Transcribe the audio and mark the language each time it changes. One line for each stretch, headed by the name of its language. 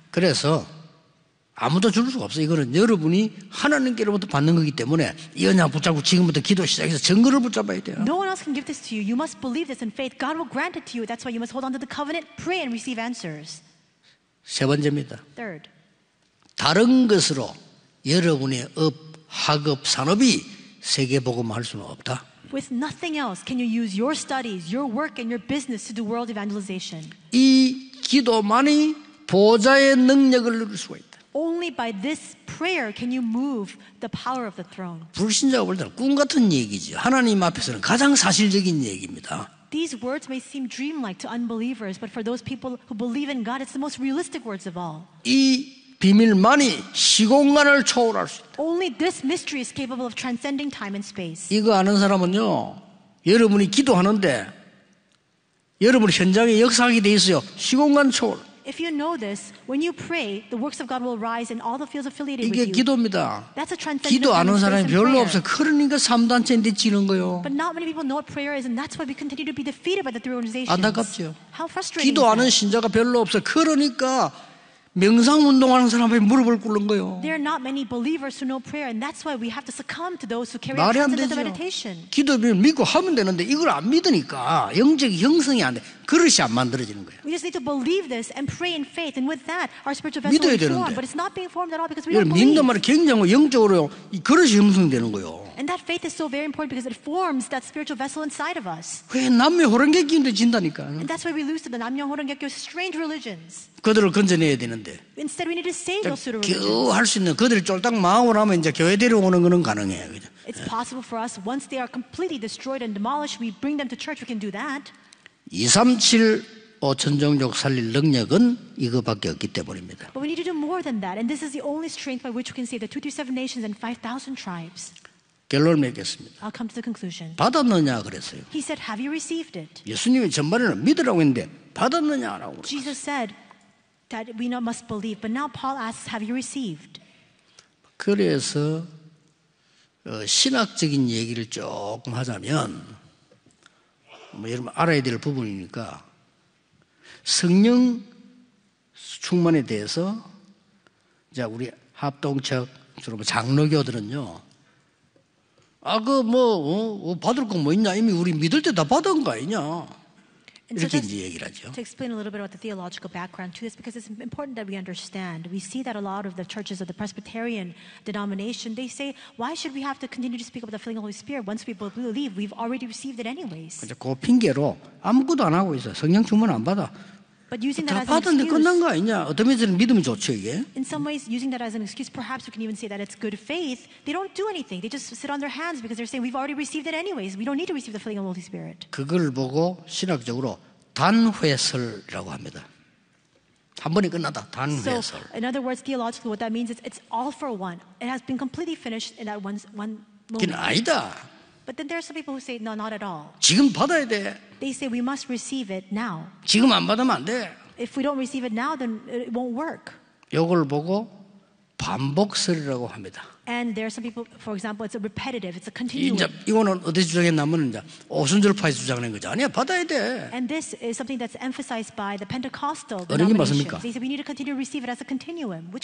Korean: 그래서 아무도 줄 수가 없어요. 이거는 여러분이 하나님께로부터 받는 거기 때문에 이 언약 붙잡고 지금부터 기도 시작해서 증거를 붙잡아야 돼요.
English: No one else can give this to you. You must believe this in faith. God will grant it to you. That's why you must hold on to the covenant, pray and receive answers.
Korean: 세 번째입니다.
English: Third.
Korean: 다른 것으로 여러분의 업, 학업, 산업이 세계복음화할 수는 없다.
English: With nothing else can you use your studies, your work and your business to do world evangelization.
Korean: 이 기도만이 보좌의 능력을 누릴 수가 있다.
English: Only by this prayer can you move the power of the throne.
Korean: 불신자가 볼 때는 꿈 같은 얘기죠. 하나님 앞에서는 가장 사실적인 얘기입니다.
English: These words may seem dreamlike to unbelievers, but for those people who believe in God, it's the most realistic words of all.
Korean: 이 비밀만이 시공간을 초월할 수 있다.
English: Only this mystery is capable of transcending time and space.
Korean: 이거 아는 사람은요, 여러분이 기도하는데 여러분 현장에 역사하게 돼 있어요. 시공간 초월.
English: If you know this, when you pray, the works of God will rise in all the fields affiliated with you.
Korean: 이게 기도입니다.
English: That's a transcendent
Korean: 기도 아는 사람이 별로 없어요. 그러니까 3단체인데 지는 거예요.
English: But not many people know what prayer is, and that's why we continue to be defeated by the three organizations.
Korean: 안타깝죠.
English: How frustrating.
Korean: 기도 아는 신자가 별로 없어요. 그러니까 명상 운동하는 사람이 무릎을 꿇는 거예요.
English: There are not many believers who know prayer, and that's why we have to succumb to those who carry out transcendental meditation.
Korean: 기도를 믿고 하면 되는데 이걸 안 믿으니까 영적 형성이 안 돼. 그릇이 안 만들어지는 거예요.
English: We just need to believe this and pray in faith, and with that, our spiritual vessel is formed. But it's not being formed at all because we don't believe.
Korean: 믿는 말은 굉장히 영적으로 이 그릇이 형성되는 거예요.
English: And that faith is so very important because it forms that spiritual vessel inside of us.
Korean: 왜 남녀 호랑개끼인데 진다니까.
English: And that's why we lose to the
Korean: 남녀 호랑개끼
English: strange religions.
Korean: 그들을 건져내야 되는데.
English: Instead, we need to save those pseudo religions.
Korean: 교회할 수 있는 그들을 쫄딱 망하고 이제 교회 데려오는 거는 가능해요. 그죠?
English: It's possible for us once they are completely destroyed and demolished, we bring them to church. We can do that.
Korean: 237 5천 종족 살릴 능력은 이거밖에 없기 때문입니다.
English: But we need to do more than that, and this is the only strength by which we can save the 237 nations and 5,000 tribes.
Korean: 결론을 맺겠습니다.
English: I'll come to the conclusion.
Korean: 받았느냐 그랬어요.
English: He said, "Have you received it?"
Korean: 예수님이 전반에는 믿으라고 했는데 받았느냐라고.
English: Jesus said that we must believe, but now Paul asks, "Have you received?"
Korean: 그래서 신학적인 얘기를 조금 하자면 뭐 여러분 알아야 될 부분이니까 성령 충만에 대해서 자 우리 합동척 주로 장로교들은요 아 그 뭐 받을 거 뭐 있냐 이미 우리 믿을 때 다 받은 거 아니냐 이렇게 이제 얘기를 하죠.
English: To explain a little bit about the theological background to this, because it's important that we understand. We see that a lot of the churches of the Presbyterian denomination, they say, why should we have to continue to speak about the filling of the Holy Spirit once we believe? We've already received it anyways.
Korean: 이제 그 핑계로 아무것도 안 하고 있어. 성령 충만 안 받아.
English: But using that as an excuse.
Korean: 다 받은데 끝난 거 아니냐? 어떤 면에서는 믿음이 좋죠, 이게.
English: In some ways, using that as an excuse, perhaps we can even say that it's good faith. They don't do anything. They just sit on their hands because they're saying, we've already received it anyways. We don't need to receive the filling of the Holy Spirit.
Korean: 그걸 보고 신학적으로 단회설이라고 합니다. 한 번에 끝났다, 단회설.
English: So, in other words, theologically, what that means is it's all for one. It has been completely finished in that one moment.
Korean: 그건 아니다.
English: But then there are some people who say, no, not at all.
Korean: 지금 받아야 돼.
English: They say, we must receive it now.
Korean: 지금 안 받으면 안 돼.
English: If we don't receive it now, then it won't work.
Korean: 이걸 보고 반복설이라고 합니다.
English: And there are some people, for example, it's a repetitive, it's a continuous.
Korean: 이제 이거는 어디 주장했냐면 이제 오순절파에서 주장하는 거죠. 아니야, 받아야 돼.
English: And this is something that's emphasized by the Pentecostal denomination.
Korean: 어느 게 맞습니까?
English: They say we need to continue to receive it as a continuum, which